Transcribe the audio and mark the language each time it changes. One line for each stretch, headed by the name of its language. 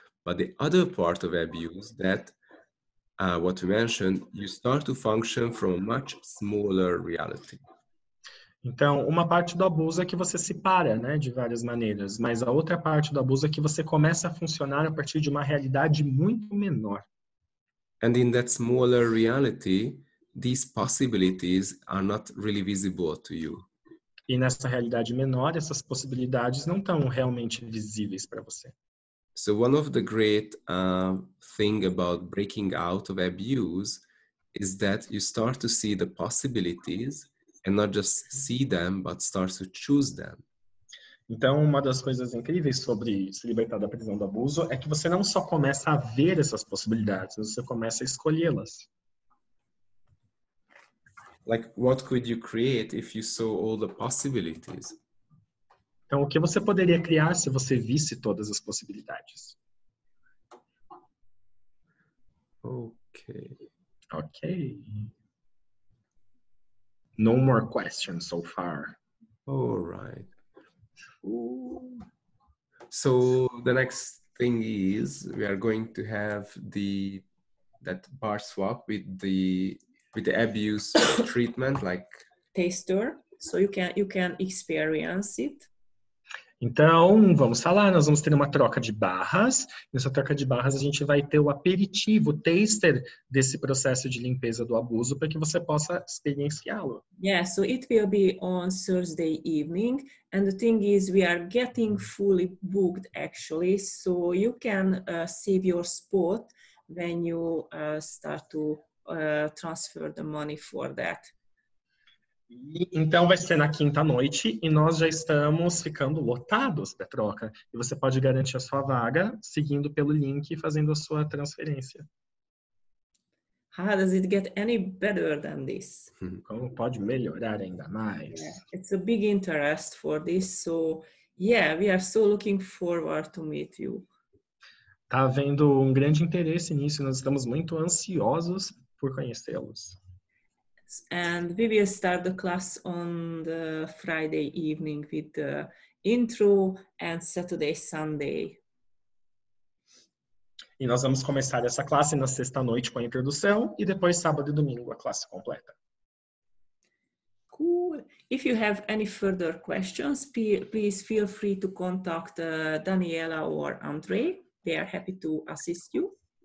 English: But the other part of abuse that, what we mentioned, you start to function from a much smaller reality.
Portuguese: Então, uma parte do abuso é que você se para, né, de várias maneiras, mas a outra parte do abuso é que você começa a funcionar a partir de uma realidade muito menor.
English: And in that smaller reality, these possibilities are not really visible to you.
Portuguese: E nessa realidade menor, essas possibilidades não estão realmente visíveis para você.
English: So one of the great thing about breaking out of abuse is that you start to see the possibilities and not just see them, but start to choose them.
Portuguese: Então, uma das coisas incríveis sobre se libertar da prisão do abuso é que você não só começa a ver essas possibilidades, você começa a escolhê-las.
English: Like, what could you create if you saw all the possibilities?
Portuguese: Então, o que você poderia criar se você visse todas as possibilidades?
English: Okay. No more questions so far. All right. So the next thing is we are going to have that bar swap with the abuse treatment, like taster, so you can experience it.
Portuguese: Então, vamos falar, nós vamos ter uma troca de barras. Nessa troca de barras, a gente vai ter o aperitivo, o taster desse processo de limpeza do abuso para que você possa experienciá-lo.
English: Yeah, so it will be on Thursday evening. And the thing is, we are getting fully booked, actually. So you can save your spot when you start to transfer the money for that.
Portuguese: Então vai ser na quinta noite e nós já estamos ficando lotados da troca. E você pode garantir a sua vaga seguindo pelo link e fazendo a sua transferência.
English: How does it get any better than this?
Portuguese: Como pode melhorar ainda mais?
English: Yeah, it's a big interest for this, so yeah, we are so looking forward to meet you.
Portuguese: Tá havendo um grande interesse nisso, nós estamos muito ansiosos por conhecê-los.
English: And we will start the class on the Friday evening with the intro and Saturday, Sunday.
Portuguese: E nós vamos começar essa classe na sexta-noite com a introdução e depois sábado e domingo a classe completa.
English: Cool. If you have any further questions, please feel free to contact Daniela or Andre. They are happy to assist you.